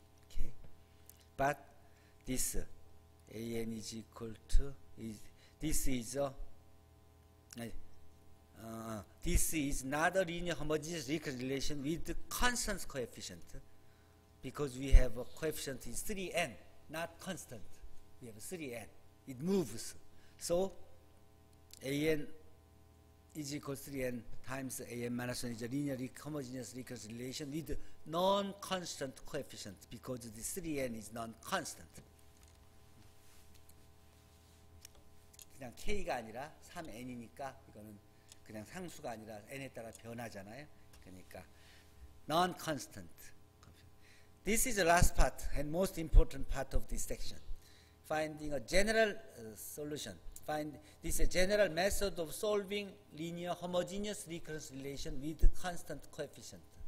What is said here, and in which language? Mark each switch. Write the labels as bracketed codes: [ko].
[en] Okay, but this a n is equal to, this is not a linear homogeneous recurrence relation with the constant coefficient, because we have a coefficient is 3n, not constant. We have 3n. It moves. So an is equal to 3n times an minus 1 is a linear homogeneous recurrence relation with non-constant coefficient, because the 3n is non-constant. [ko] 그냥 k가 아니라 3n이니까 이거는 그냥 상수가 아니라 n에 따라 변하잖아요. 그러니까 non-constant. [en] This is the last part and most important part of this section. Finding a general solution. This is a general method of solving linear homogeneous recurrence relation with constant coefficient.